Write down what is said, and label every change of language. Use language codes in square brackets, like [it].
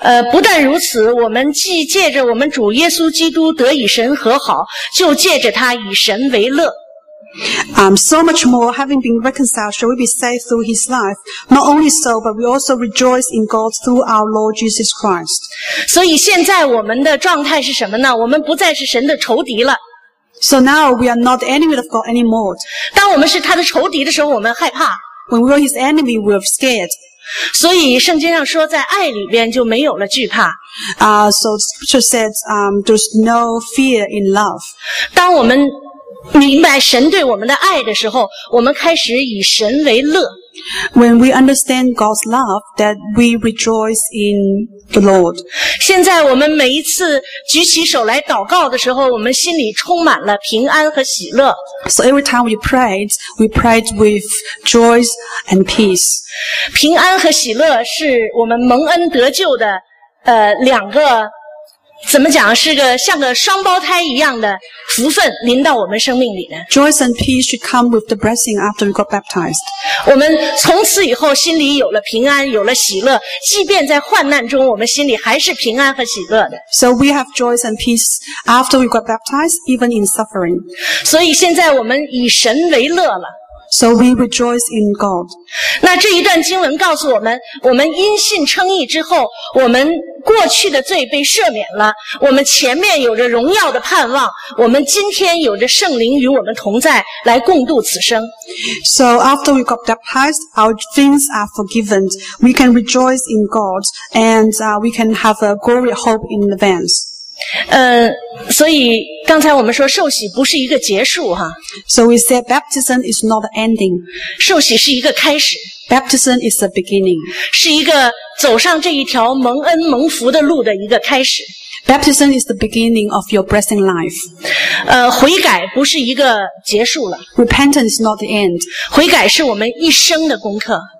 [zh] 不但如此，我们既借着我们主耶稣基督得以神和好，就借着他以神为乐。 [en] So much more, having been reconciled, shall we be saved through his life. Not only so, but we also rejoice in God through our Lord Jesus Christ. [zh] 所以现在我们的状态是什么呢？我们不再是神的仇敌了。 [en] So now we are not enemy of God anymore. [zh] 当我们是他的仇敌的时候，我们害怕。 [en] When we were his enemy, we were scared. [zh] 所以圣经上说在爱里边就没有了惧怕。 [en] So scripture said, there's no fear in love. [zh] 当我们明白神对我们的爱的时候，我们开始以神为乐。 [en] When we understand God's love, that we rejoice in the Lord. [zh] 现在我们每一次举起手来祷告的时候，我们心里充满了平安和喜乐。 [en] So every time we prayed with joy and peace. [zh] 平安和喜乐是我们蒙恩得救的，两个怎么讲，是个像个双胞胎一样的福分临到我们生命里的。 [en] Joy and peace should come with the blessing after we got baptized. [zh] 我们从此以后心里有了平安，有了喜乐，即便在患难中，我们心里还是平安和喜乐的。 [en] So we have joy and peace after we got baptized, even in suffering. [zh] 所以现在我们以神为乐了。 [en] So we rejoice in God. [zh] 那这一段经文告诉我们，我们因信称义之后，我们过去的罪被赦免了，我们前面有着荣耀的盼望，我们今天有着圣灵与我们同在，来共度此生。 [en] So after we got baptized, our sins are forgiven. We can rejoice in God, and we can have a glory hope in advance. [zh] 所以刚才我们说受洗不是一个结束哈。 [en] So we said baptism is not the ending. [zh] 受洗是一个开始。 [en] Baptism is the beginning. [zh] 是一个走上这一条蒙恩蒙福的路的一个开始。 [en] Baptism is the beginning of your blessing life. [zh] 悔改不是一个结束了。 [en] Repentance is not the end. [zh] 悔改是我们一生的功课。